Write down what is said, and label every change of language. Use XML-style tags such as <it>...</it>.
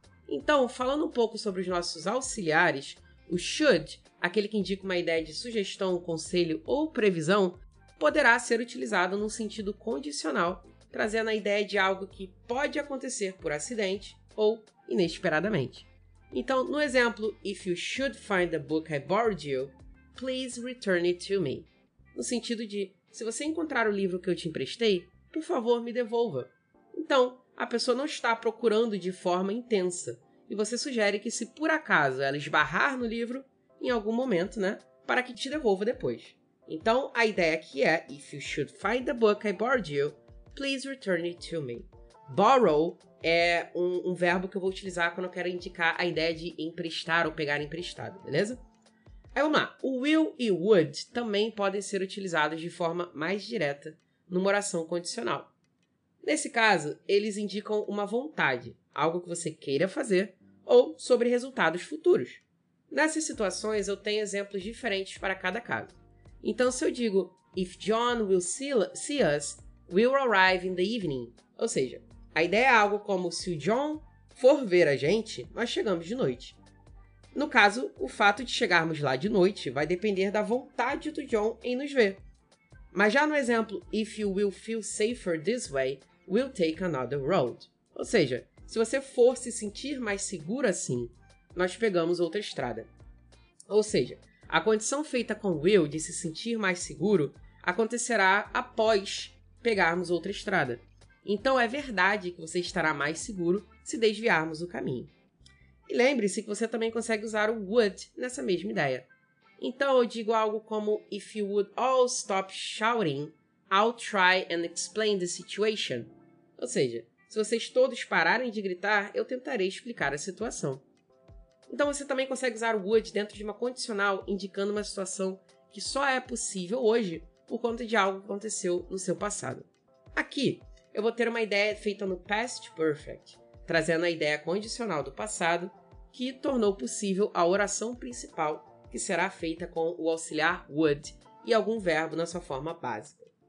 <pt>Então, falando um pouco sobre os nossos auxiliares, o should, aquele que indica uma ideia de sugestão, conselho ou previsão, poderá ser utilizado num sentido condicional, trazendo a ideia de algo que pode acontecer por acidente ou inesperadamente. Então, no exemplo,</pt> <en>if you should find the book I borrowed you, please return it to me.</en> <pt>No sentido de, se você encontrar o livro que eu te emprestei, por favor, me devolva. Então, a pessoa não está procurando de forma intensa, e você sugere que se por acaso ela esbarrar no livro, em algum momento, né, para que te devolva depois. Então, a ideia aqui é,</pt> <en>if you should find the book I borrowed you, please return it to me.</en> <pt>Borrow é um verbo que eu vou utilizar quando eu quero indicar a ideia de emprestar ou pegar emprestado, beleza? Aí vamos lá. O will e would também podem ser utilizados de forma mais direta numa oração condicional. Nesse caso, eles indicam uma vontade, algo que você queira fazer, ou sobre resultados futuros. Nessas situações, eu tenho exemplos diferentes para cada caso. Então, se eu digo,</pt> <en>if John will see us, we'll arrive in the evening,</en> <pt>ou seja, A ideia é algo como: se o John for ver a gente, nós chegamos de noite. No caso, o fato de chegarmos lá de noite vai depender da vontade do John em nos ver. Mas já no exemplo,</pt> <en>if you will feel safer this way, we'll take another road.</en> <pt>Ou seja, se você for se sentir mais seguro assim, nós pegamos outra estrada. Ou seja, a condição feita com Will de se sentir mais seguro acontecerá após pegarmos outra estrada. Então é verdade que você estará mais seguro se desviarmos o caminho. E lembre-se que você também consegue usar o would nessa mesma ideia. Então eu digo algo como:</pt> <en>if you would all stop shouting, I'll try and explain the situation.</en> <pt>Ou seja, se vocês todos pararem de gritar, eu tentarei explicar a situação. Então você também consegue usar o would dentro de uma condicional indicando uma situação que só é possível hoje por conta de algo que aconteceu no seu passado. Aqui, eu vou ter uma ideia feita no past perfect, trazendo a ideia condicional do passado que tornou possível a oração principal, que será feita com o auxiliar would e algum verbo na sua forma básica.</pt>